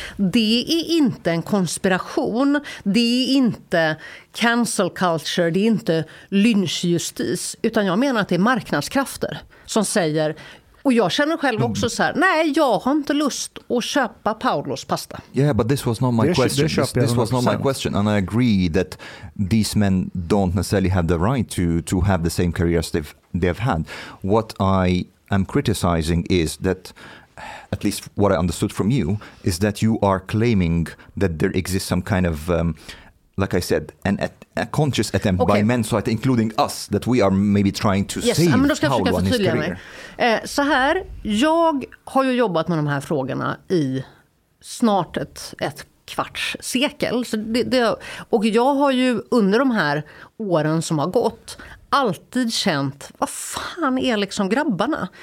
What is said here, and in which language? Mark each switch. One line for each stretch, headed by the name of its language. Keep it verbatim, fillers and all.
Swedish: Det är inte en konspiration, det är inte cancel culture, det är inte lynchjustis, utan jag menar att det är marknadskrafter som säger, och jag känner själv också så här, nej jag har inte lust att köpa Paulos pasta.
English: Yeah, but this was not my
Swedish: det
English: question.
Swedish: Köp,
English: this this was not my question and I agree that these men don't necessarily have the right to to have the same careers they've they've had. What I am criticizing is that, at least what I understood from you, is that you are claiming that there exists some kind of um, like I said, an, a conscious attempt okay. by men, so including us, that we are maybe trying to yes, save
Swedish: men då ska jag
English: Paolo
Swedish: försöka förtydliga mig. Eh, så här, jag har ju jobbat med de här frågorna i snart ett, ett kvarts sekel. Så det, det, och jag har ju under de här åren som har gått alltid känt, vad fan är liksom grabbarna?